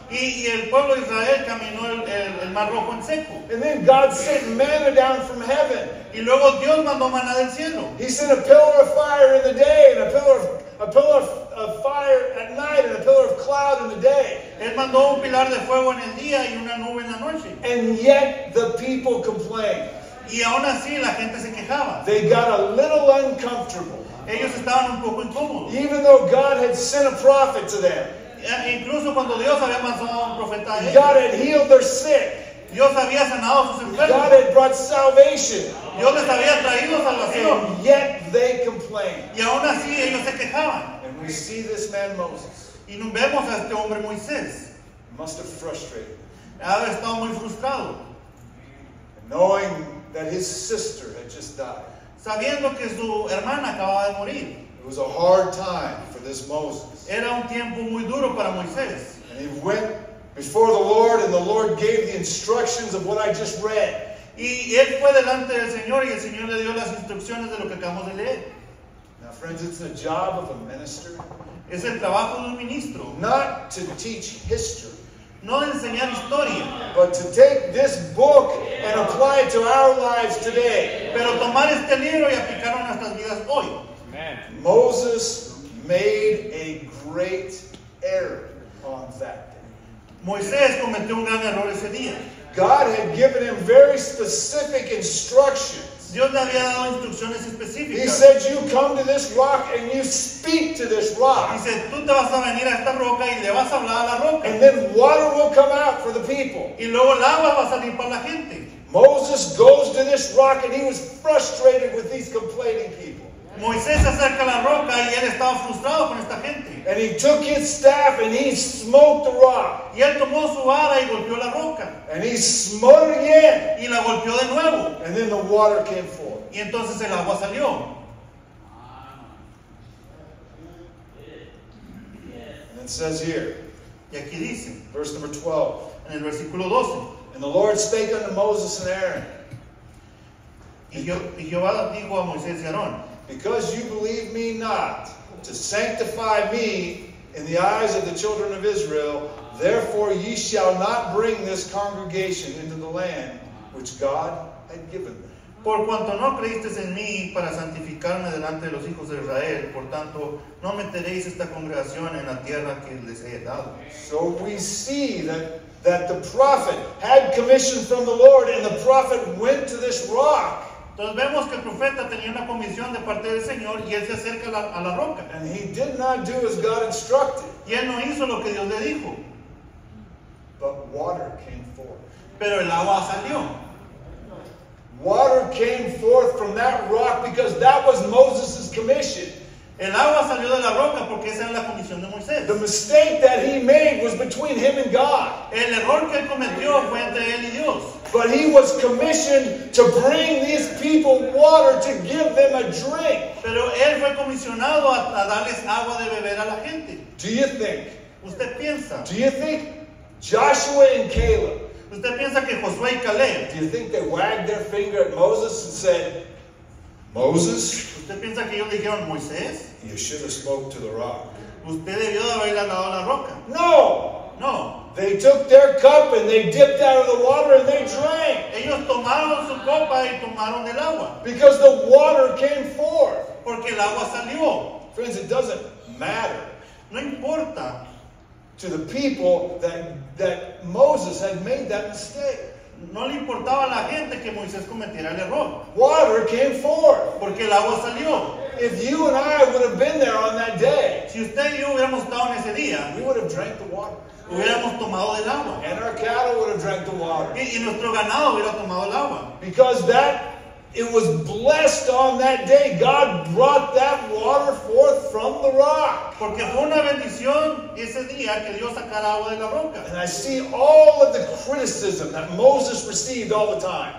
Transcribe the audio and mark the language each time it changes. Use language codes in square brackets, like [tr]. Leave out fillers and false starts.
[es] Y el pueblo de Israel caminó el Mar Rojo en seco. [en] And then God sent manna down from heaven. [es] Y luego Dios mandó maná del cielo. [en] He sent a pillar of fire in the day and a pillar of fire at night and a pillar of cloud in the day. [es] Él mandó un pilar de fuego en el día y una nube en la noche. [en] And yet the people complained. [es] Y aún así la gente se quejaba. [en] They got a little uncomfortable. [es] Ellos estaban un poco incómodos. [en] Even though God had sent a prophet to them. [es] Incluso cuando Dios había mandado a un profeta a ellos. [en] God had healed their sick. [es] Dios había sanado a sus enfermos. [en] God had brought salvation. [es] Dios les había traído salvación. [en] And yet they complained. [es] Y aún así ellos se quejaban. [en] And we see this man Moses. [es] Y nos vemos a este hombre Moisés. [en] Must have frustrated. [es] Había estado muy frustrado. [en] Knowing that his sister had just died. [es] Sabiendo que su hermana acababa de morir. [en] It was a hard time for this Moses. [es] Era un tiempo muy duro para Moisés. [en] And he went before the Lord, and the Lord gave the instructions of what I just read. [es] Y él fue delante del Señor, y el Señor le dio las instrucciones de lo que acabamos de leer. [en] Now, friends, it's the job of a minister. [es] Es el trabajo de un ministro. [en] Not to teach history. [es] No enseñar historia. [en] But to take this book and apply it to our lives today. [es] Pero tomar este libro y aplicarlo a nuestras vidas hoy. [en] Moses made a great error on that day. [es] Moisés cometió un gran error ese día. [en] God had given him very specific instructions. [es] Dios le había dado instrucciones específicas. [en] He said, "You come to this rock and you speak to this rock." [es] Dice, tú te vas a venir a esta roca y le vas a hablar a la roca. [en] And then water will come out for the people. [es] Y luego el agua va a salir para la gente. [en] Moses goes to this rock and he was frustrated with these complaining people. [es] Moisés se acerca a la roca y él estaba frustrado con esta gente. [en] And he took his staff and he smote the rock. [es] Y él tomó su vara y golpeó la roca. [en] And he smote it again. [es] Y la golpeó de nuevo. [en] And then the water came forth. [es] Y entonces el agua salió. [en] And it says here. [es] Y aquí dice. [en] Verse number 12. [es] En el versículo 12. [en] And the Lord spake unto Moses and Aaron. [es] Y Jehová dijo a Moisés y Aarón. [en] Because you believe me not to sanctify me in the eyes of the children of Israel, therefore ye shall not bring this congregation into the land which God had given them. [es] Por cuanto no creísteis en mí para santificarme delante de los hijos de Israel, por tanto no meteréis esta congregación en la tierra que les he dado. [en] So we see that the prophet had commission from the Lord, and the prophet went to this rock. [es] Entonces vemos que el profeta tenía una comisión de parte del Señor y él se acerca a la roca. [en] And he did not do as God instructed. [es] Y él no hizo lo que Dios le dijo. [en] But water came forth. [es] Pero el agua salió. [en] Water came forth from that rock because that was Moses' commission. [es] El agua salió de la roca porque esa era la comisión de Moisés. [en] The mistake that he made was between him and God. [es] El error que él cometió fue entre él y Dios. [en] But he was commissioned to bring these people water to give them a drink. [es] Pero él fue comisionado a darles agua de beber a la gente. [en] Do you think? [es] ¿Usted piensa? [en] Do you think Joshua and Caleb? [es] ¿Usted piensa que Josué y Caleb? [en] Do you think they wagged their finger at Moses and said, Moses? [es] ¿Usted piensa que ellos dijeron Moisés? [en] You should have spoke to the rock. [es] ¿Usted debió de haberle hablado a la roca? [en] No. [es] No. [en] They took their cup and they dipped out of the water and they drank. [es] Ellos tomaron su copa y tomaron el agua. [en] Because the water came forth. [es] Porque el agua salió. [en] Friends, it doesn't matter. [es] No importa. [en] To the people that Moses had made that mistake. [es] No le importaba a la gente que Moisés cometiera el error. [en] Water came forth. [es] Porque el agua salió. [en] If you and I would have been there on that day, [es] si usted y yo hubiéramos estado en ese día, [en] we would have drank the water. [es] Hubiéramos tomado del agua. [en] And our cattle would have drank the water. [es] Y nuestro ganado hubiera tomado el agua. [en] Because that, it was blessed on that day. God brought that water forth from the rock. [es] Porque fue una bendición ese día que Dios sacara agua de la roca. [en] And I see all of the criticism that Moses received all the time.